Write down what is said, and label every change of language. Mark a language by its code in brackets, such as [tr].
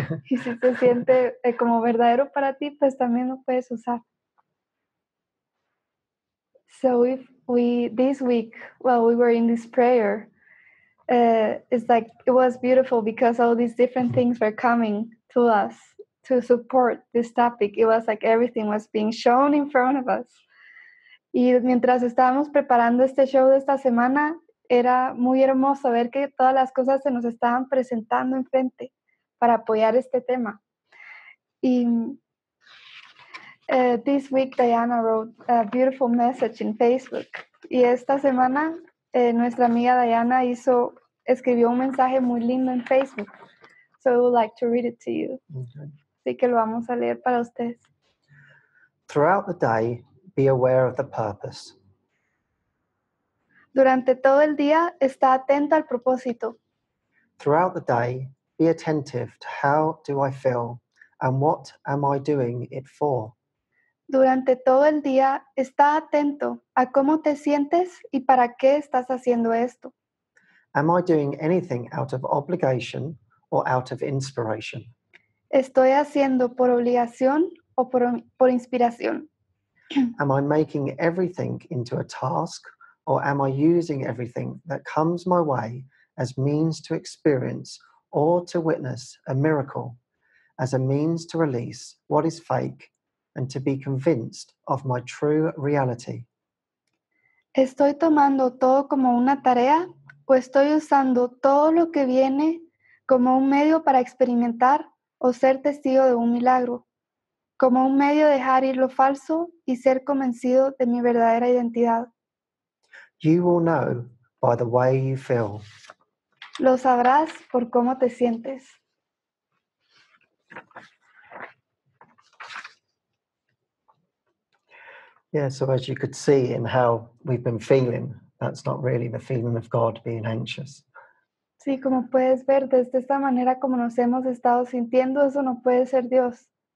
[es] Y si se siente como verdadero para ti, pues también lo puedes usar. [en] So if we this week while we were in this prayer, it's like it was beautiful because all these different things were coming to us to support this topic. It was like everything was being shown in front of us. [es] Y mientras estábamos preparando este show de esta semana, era muy hermoso ver que todas las cosas se nos estaban presentando enfrente para apoyar este tema. Y [en] this week, Diana wrote a beautiful message in Facebook. [es] Y esta semana, nuestra amiga Diana escribió un mensaje muy lindo en Facebook. [en] So I would like to read it to you. Okay. [es] Así que lo vamos a leer para ustedes. [en] Throughout the day, be aware of the purpose. [es] Durante todo el día, está atenta al propósito. [en] Throughout the day, be attentive to how do I feel and what am I doing it for. [es] Durante todo el día, está atento a cómo te sientes y para qué estás haciendo esto. [en] Am I doing anything out of obligation or out of inspiration? [es] ¿Estoy haciendo por obligación o por inspiración? [en] Am I making everything into a task or am I using everything that comes my way as means to experience or to witness a miracle, as a means to release what is fake and to be convinced of my true reality? [es] ¿Estoy tomando todo como una tarea o estoy usando todo lo que viene como un medio para experimentar o ser testigo de un milagro, como un medio de dejar ir lo falso y ser convencido de mi verdadera identidad? [en] You will know by the way you feel. [es] Lo sabrás por cómo te sientes. [en] Yeah, so as you could see in how we've been feeling, that's not really the feeling of God being anxious. [es] Sí, como puedes ver, desde esta manera como nos hemos estado sintiendo, eso no puede ser Dios.